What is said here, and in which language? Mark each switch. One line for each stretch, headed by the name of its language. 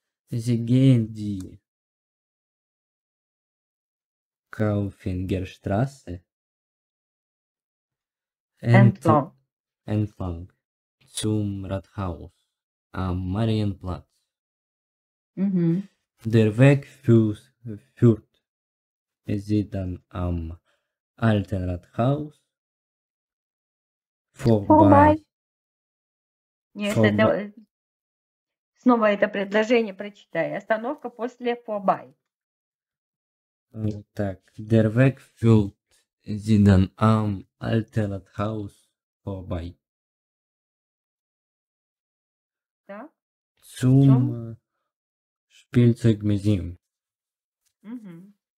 German: Sie gehen die Kaufingerstraße entlang zum Rathaus am Marienplatz. Mhm. Der Weg führt sie dann am alten Rathaus vorbei.
Russian: Снова это предложение прочитай. Остановка после vorbei.
German: Так, der Weg führt sie dann am alten Rathaus vorbei.
Russian: Да?
German: Zum Spielzeugmuseum. Mhm.